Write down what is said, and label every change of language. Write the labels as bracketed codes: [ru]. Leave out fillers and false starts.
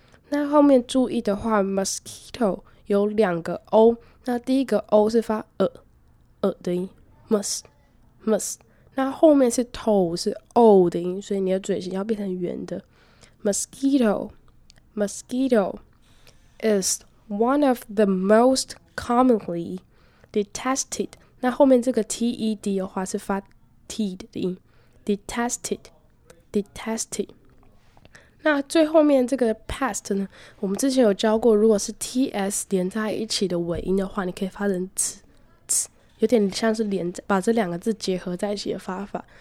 [zh] 那后面注意的话 ，mosquito 有两个 o， 那第一个 o 是发的音 ，mus， 那后面是 to 是 o 的音，所以你的嘴型要变成圆的 ，mosquito。 [en] Is one of the most commonly detested. [zh] 那后面这个 TED 的话是发 T 的音 ，detested。那最后面这个 pest 呢？我们之前有教过，如果是 TS 连在一起的尾音的话，你可以发成 ts， 有点像是连把这两个字结合在一起的发法。